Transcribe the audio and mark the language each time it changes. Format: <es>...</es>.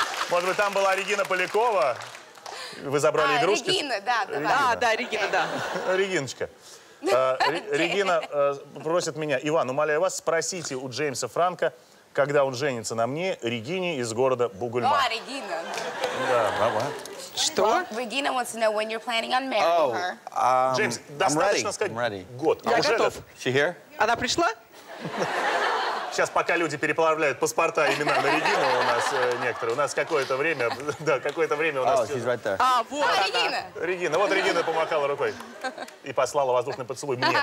<ru>Может быть, там была Регина Полякова? Вы забрали игрушки? Регина, да. Регина. Да, Регина, да. Региночка. Регина просит меня. Иван, умоляю вас, спросите у Джеймса Франко, когда он женится на мне, Регине из города Бугульма. О, Регина. Да, баба. Что?</ru> <en>Регина wants to know when you're planning on marrying her.</en> <ru>Джеймс, достаточно сказать год. Я готов.</ru> <en>She here?</en> <ru>Она пришла? Сейчас, пока люди переплавляют паспорта имена на Регину у нас некоторые. У нас какое-то время, да, какое-то время у нас...</ru> <en>Oh, she's right there.</en> <ru>А, вот она. Регина. Регина. Вот Регина помахала рукой и послала воздушный поцелуй мне.</ru>